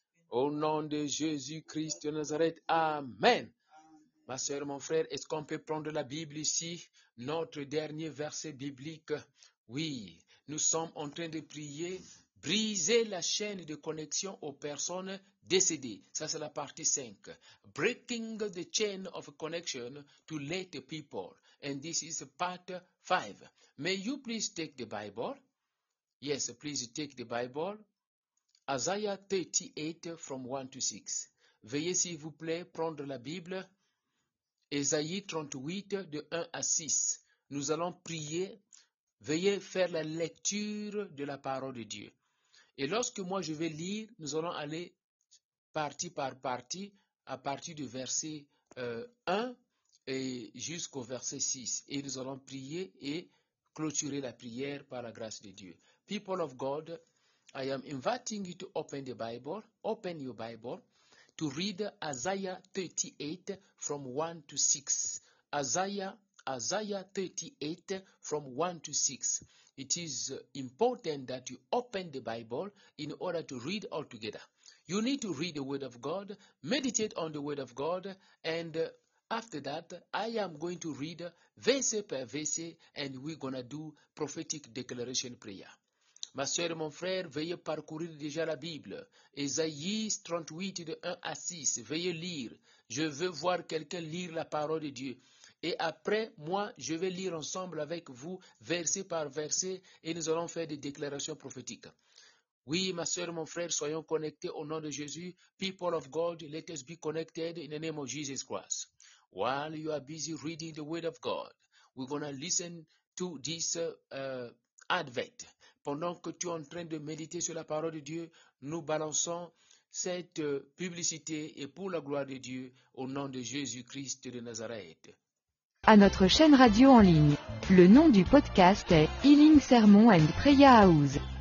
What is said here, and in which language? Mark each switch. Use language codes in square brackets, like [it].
[fr] Au nom de Jésus Christ de Nazareth, amen. Ma soeur, mon frère, est-ce qu'on peut prendre la Bible ici, notre dernier verset biblique? Oui, nous sommes en train de prier, briser la chaîne de connexion aux personnes décédées. Ça, c'est la partie 5. [en] Breaking the chain of connection to late people. And this is part 5. May you please take the Bible? Yes, please take the Bible. Isaiah 38 from 1 to 6. [fr] Veuillez, s'il vous plaît, prendre la Bible. Isaiah 38 de 1 à 6. Nous allons prier. Veuillez faire la lecture de la parole de Dieu. Et lorsque moi je vais lire, nous allons aller partie par partie, à partir du verset 1 et jusqu'au verset 6. Et nous allons prier et clôturer la prière par la grâce de Dieu. [en] People of God, I am inviting you to open the Bible, open your Bible, to read Isaiah 38 from 1 to 6. Isaiah 38 from 1 to 6. It is important that you open the Bible in order to read all together. You need to read the Word of God, meditate on the Word of God, and after that, I am going to read verse per verse, and we're going to do prophetic declaration prayer. [fr] Ma soeur et mon frère, veuillez parcourir déjà la Bible. Esaïe 38 de 1 à 6. Veuillez lire. Je veux voir quelqu'un lire la parole de Dieu. Et après, moi, je vais lire ensemble avec vous, verset par verset, et nous allons faire des déclarations prophétiques. Oui, ma soeur, mon frère, soyons connectés au nom de Jésus. [en] People of God, let us be connected in the name of Jesus Christ. While you are busy reading the Word of God, we're going to listen to this advert. [fr] Pendant que tu es en train de méditer sur la parole de Dieu, nous balançons cette publicité et pour la gloire de Dieu, au nom de Jésus-Christ de Nazareth. À notre chaîne radio en ligne, le nom du podcast est Healing Sermon and Prayer House.